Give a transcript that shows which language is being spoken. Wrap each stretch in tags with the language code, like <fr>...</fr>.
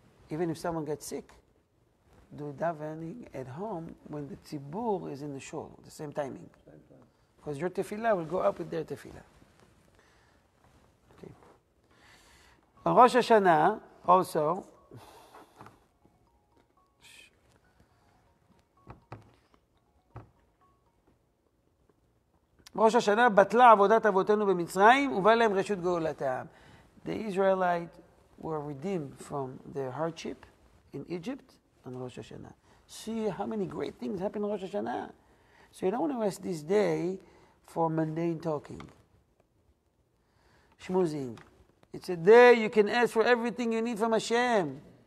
<en>Even if someone gets sick, do davening at home when the tzibur is in the shul, the same timing. Because your tefillah will go up with their tefillah. Okay. On Rosh Hashanah, also,</en> <he>ראש השנה בטלה עבודת אבותינו במצרים ובא להם רשות גאולתם.</he> <en>The Israelites were redeemed from their hardship in Egypt on Rosh Hashanah. See how many great things happen on Rosh Hashanah. So you don't want to rest this day for mundane talking. Shmuzim. It's a day you can ask for everything you need from Hashem.</en>